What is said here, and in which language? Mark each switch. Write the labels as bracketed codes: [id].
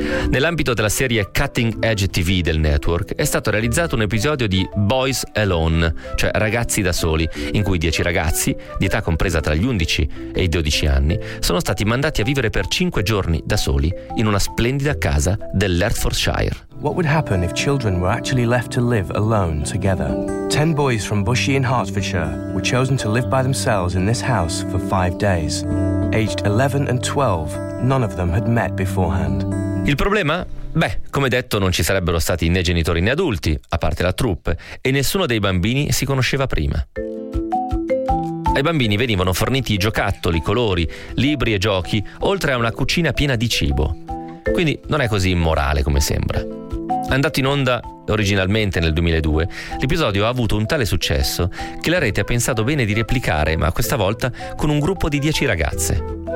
[it] Nell'ambito della serie Cutting Edge TV del network è stato realizzato un episodio di Boys Alone, cioè ragazzi da soli, in cui 10 ragazzi, di età compresa tra gli 11 e i 12 anni, sono stati mandati a vivere per 5 giorni da soli in una splendida casa dell'Hertfordshire. [en] What would happen if children were actually left to live alone together? 10 boys from Bushy in Hertfordshire were chosen to live by themselves in this house for 5 days. Aged 11 and 12, none of them had met beforehand. [it] Il problema? Beh, come detto, non ci sarebbero stati né genitori né adulti, a parte la troupe, e nessuno dei bambini si conosceva prima. Ai bambini venivano forniti giocattoli, colori, libri e giochi, oltre a una cucina piena di cibo. Quindi non è così immorale come sembra. Andato in onda originalmente nel 2002, l'episodio ha avuto un tale successo che la rete ha pensato bene di replicare, ma questa volta con un gruppo di 10 ragazze.